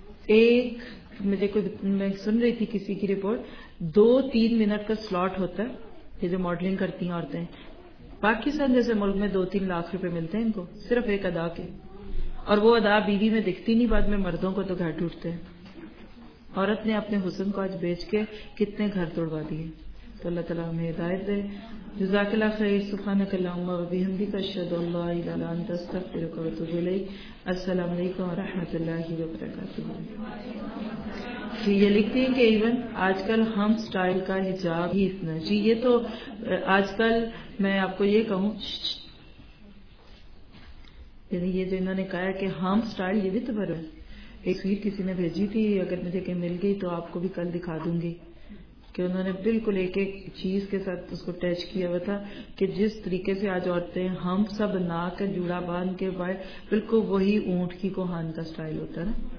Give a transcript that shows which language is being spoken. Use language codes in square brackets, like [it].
[hi] एक मुझे कोई, मैं सुन रही थी किसी की रिपोर्ट, 2-3 मिनट का स्लॉट होता है ये जो मॉडलिंग करती हैं औरतें, पाकिस्तान जैसे मुल्क में 2-3 लाख रुपए मिलते हैं इनको सिर्फ एक अदा के, और वो अदा बीवी में दिखती नहीं, बाद में मर्दों को तो घर टूटते हैं। औरत ने अपने हुसन को आज बेच के कितने घर तोड़वा दिए। तो अल्लाह ताला हमें हिदायत दे। [ar] جزاك الله خير سبحانك اللهم وبحمدك اشهد ان لا اله الا انت استغفرك واتوب اليك السلام عليكم ورحمة الله وبركاته। [hi] ये लिखती है कि इवन आजकल हम स्टाइल का हिजाब ही इतना जी, ये तो आजकल मैं आपको ये कहूँ, ये जो इन्होंने कहा कि हम स्टाइल, ये भी तो भर है। एक स्वीट किसी ने भेजी थी, अगर मुझे कहीं मिल गई तो आपको भी कल दिखा दूंगी, कि उन्होंने बिल्कुल एक एक चीज के साथ उसको टच किया हुआ था कि जिस तरीके से आज औरतें हम सब नाक जूड़ा बांध के बाय, बिल्कुल वही ऊंट की कोहान का स्टाइल होता है ना।